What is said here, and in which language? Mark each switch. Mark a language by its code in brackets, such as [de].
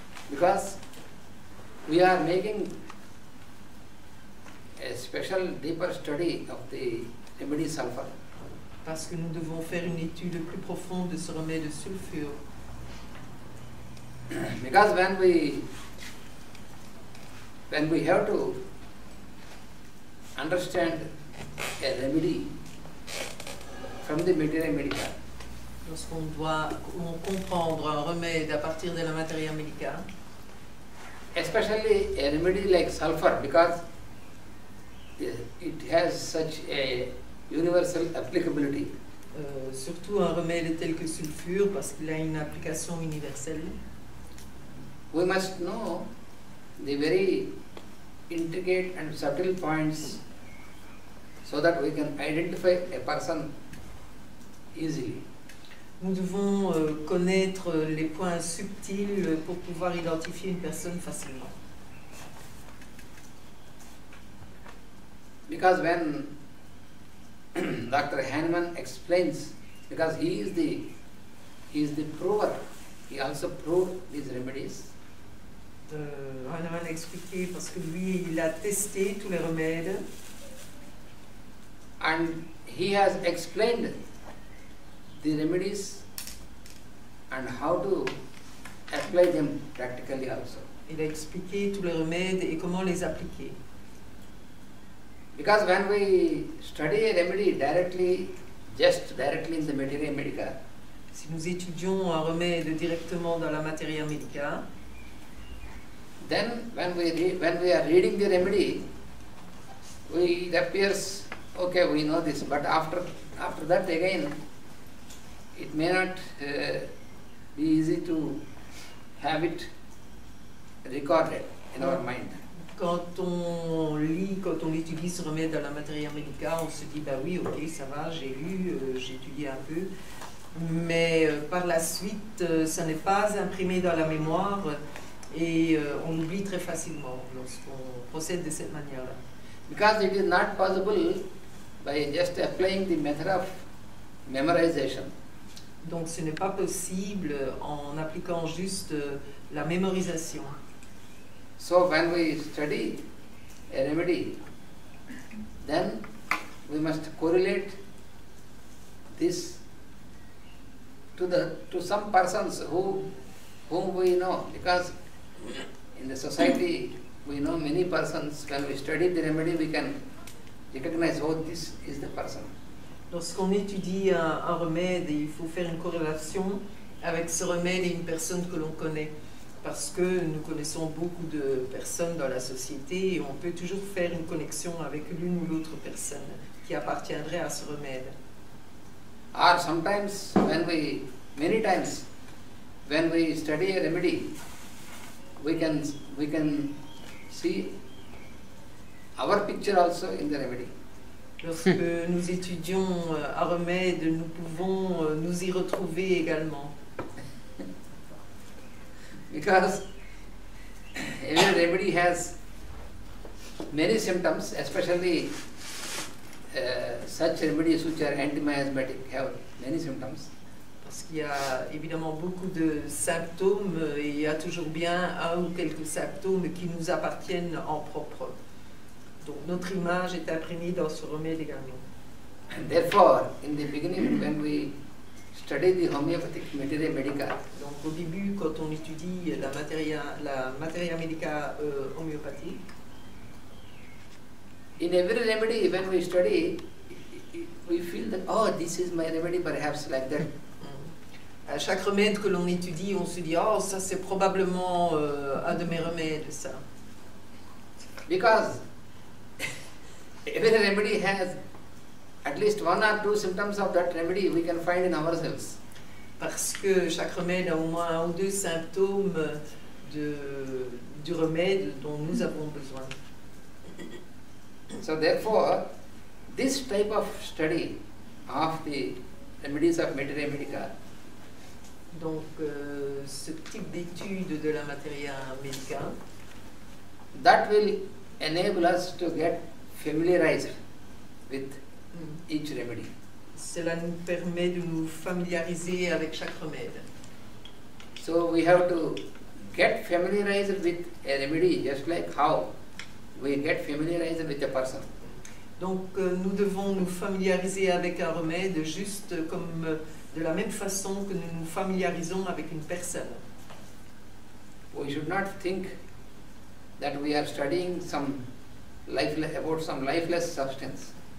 [en] Because we are making a special deeper study of the remedy sulfur. [fr] Parce que nous devons faire une étude plus profonde de ce remède de sulfure. [en] Because when we have to understand a remedy from the materia medica. [fr] Lorsqu'on doit comprendre un remède à partir de la matière médicale. [en] Especially a remedy like sulfur, because it has such a universal applicability. [fr] Surtout un remède tel que sulfure, parce qu'il a une application universelle. [en] We must know the very intricate and subtle points so that we can identify a person easily. [fr] Nous devons connaître les points subtils pour pouvoir identifier une personne facilement. [en] Because when Dr. Hahnemann explains, because he is the prover, he also proved these remedies. [fr] Hahnemann a expliqué parce que lui, il a testé tous les remèdes. [en] And he has explained the remedies and how to apply them practically also. [fr] Il a expliqué tous les remèdes et comment les appliquer. [en] Because when we study a remedy directly, just directly in the materia medica, [fr] si nous étudions un remède directement dans la materia medica, [en] then when we are reading the remedy, it appears okay, we know this, but after that again, it may not be easy to have it recorded in our mind. [fr] Quand on lit, quand on étudie ce remède dans la matière médicale, on se dit, bah oui, ok, ça va, j'ai lu, j'ai étudié un peu. Mais par la suite, ça n'est pas imprimé dans la mémoire et on oublie très facilement lorsqu'on procède de cette manière-là. [en] Because it is not possible by just applying the method of memorization. [fr] Donc ce n'est pas possible en appliquant juste la mémorisation. [en] So when we study a remedy, then we must correlate this to some persons whom we know, because in the society we know many persons. When we study the remedy, we can recognize, oh, this is the person. [fr] Lorsqu'on étudie un remède, il faut faire une corrélation avec ce remède et une personne que l'on connaît. Parce que nous connaissons beaucoup de personnes dans la société et on peut toujours faire une connexion avec l'une ou l'autre personne qui appartiendrait à ce remède. [en] Or sometimes when we, many times when we study a remedy, we can see our picture also in the remedy. [fr] Lorsque nous étudions un remède, nous pouvons nous y retrouver également. [en] Because every remedy has many symptoms, especially such remedies which are anti-miasmatic have many symptoms. [fr] Parce qu'il y a évidemment beaucoup de symptômes, et il y a toujours bien un ou quelques symptômes qui nous appartiennent en propre. Donc notre image est imprimée dans ce remède également. [en] And therefore, in the beginning, when we study the homeopathic materia medica. [fr] Donc au début, quand on étudie la materia medica homéopathique. [en] In every remedy, when we study, we feel that, oh, this is my remedy, perhaps like that. [fr] À chaque remède que l'on étudie, on se dit, oh, ça c'est probablement un de mes remèdes, ça. [en] Because every remedy has at least one or two symptoms of that remedy we can find in ourselves. [fr] Parce que chaque remède a au moins un ou deux symptômes du remède dont nous avons besoin. [en] So therefore, this type of study of the remedies of materia medica. [fr] Donc ce type d'étude de la materia medica. [en] That will enable us to get familiarized with each remedy. [fr] Cela nous permet de nous familiariser avec chaque remède. [en] So we have to get familiarized with a remedy, just like how we get familiarized with a person. [fr] Donc nous devons nous familiariser avec un remède, juste comme de la même façon que nous nous familiarisons avec une personne. [en] We should not think that we are studying some lifeless, about some lifeless substance.